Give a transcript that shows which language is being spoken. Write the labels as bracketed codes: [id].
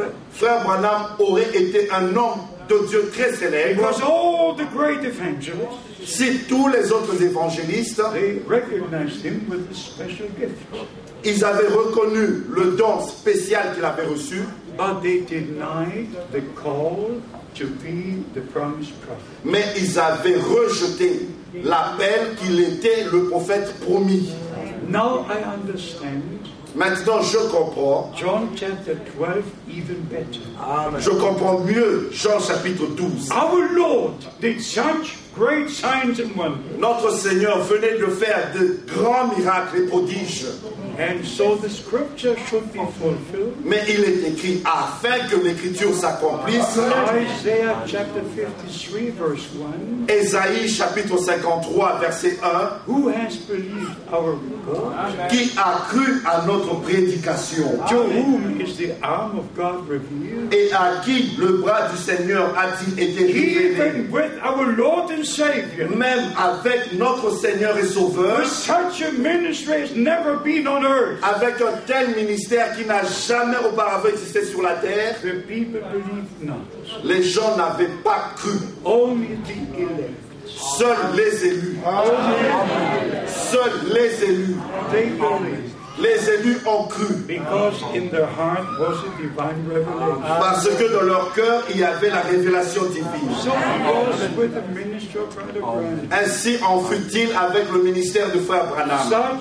[fr] Frère Branham aurait été un homme de Dieu très célèbre. [en] Because all the great evangelists, [fr] si tous les autres évangélistes, [en] they recognized him with a special gift, [fr] ils avaient reconnu le don spécial qu'il avait reçu, [en] but they denied the call to be the promised prophet. [fr] Mais ils avaient rejeté l'appel qu'il était le prophète promis. [en] Now I understand. [fr] Maintenant, je comprends. [en] John chapter 12, even better. [fr] Amen. Je comprends mieux Jean chapitre 12. [en] Our Lord did such great signs and wonders. [fr] Notre Seigneur venait de faire de grands miracles et prodiges. [en] And so the scripture should be fulfilled. [fr] Mais il est écrit afin que l'écriture s'accomplisse. [en] Isaiah chapter 53, verse 1. [fr] Esaïe chapitre 53, verset 1. [en] Who has believed our God? [fr] Qui a cru à notre prédication? [en] To whom is the arm of God revealed? [fr] Et à qui le bras du Seigneur a-t-il été révélé? [en] Even with our Lord and Savior. [fr] Même avec notre Seigneur et Sauveur. [en] Such a ministry has never been on earth. [fr] Avec un tel ministère qui n'a jamais auparavant existé sur la terre, [en] the people believed not. [fr] Les gens n'avaient pas cru. [en] Only the elect. [fr] Seuls les élus. [en] Only. [fr] Seuls les élus. [en] They believed. [fr] Les élus ont cru. [en] Because in their heart was a divine revelation. [fr] Parce que dans leur cœur, il y avait la révélation divine. [en] So with the ministry of Brother Branham. [fr] Ainsi en fut-il avec le ministère de Frère Branham.